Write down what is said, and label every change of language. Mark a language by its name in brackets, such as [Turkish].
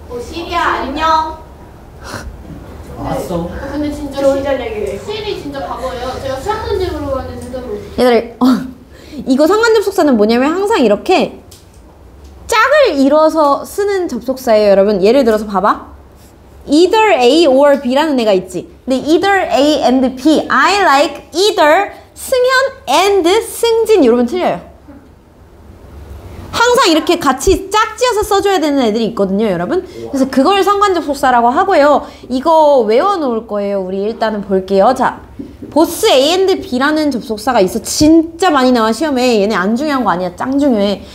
[Korean] 어 시리야 안녕. 왔어. 근데 진짜 좋은 전략이래. 시리 진짜 바보예요. 제가 수학 문제 물어봤는데 제대로. 얘들 이거 상관접속사는 뭐냐면 항상 이렇게 짝을 이뤄서 쓰는 접속사예요. 여러분 예를 들어서 봐봐. [English] Either A or B라는 [Korean] 애가 있지. 근데 [English] Either A and B. I like either 승현 and 승진. [Korean] 이러면 틀려요. 항상 이렇게 같이 짝지어서 써줘야 되는 애들이 있거든요, 여러분. 그래서 그걸 상관접속사라고 하고요. 이거 외워놓을 거예요. 우리 일단은 볼게요. 자, 보스 A and B라는 접속사가 있어. 진짜 많이 나와, 시험에. 얘네 안 중요한 거 아니야. 짱 중요해.